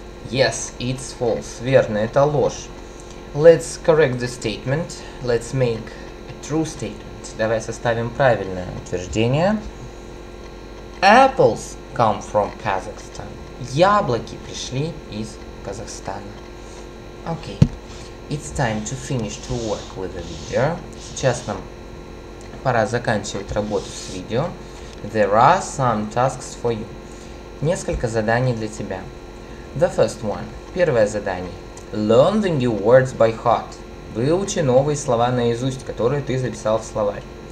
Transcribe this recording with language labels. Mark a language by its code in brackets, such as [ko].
[en] Yes, it's false. [ru] Верно, это ложь. [en] Let's correct the statement. Let's make a true statement. [ru] Давай составим правильное утверждение. [en] Apples come from Kazakhstan. [ru] Яблоки пришли из Казахстана. [en] Okay. It's time to finish to work with the video. [ru] Сейчас нам пора заканчивать работу с видео. [en] There are some tasks for you. [ru] Несколько заданий для тебя. [en] The first one. [ru] Первое задание. [en] Learn the new words by heart. [ru] Выучи новые слова наизусть, которые ты записал в словарь.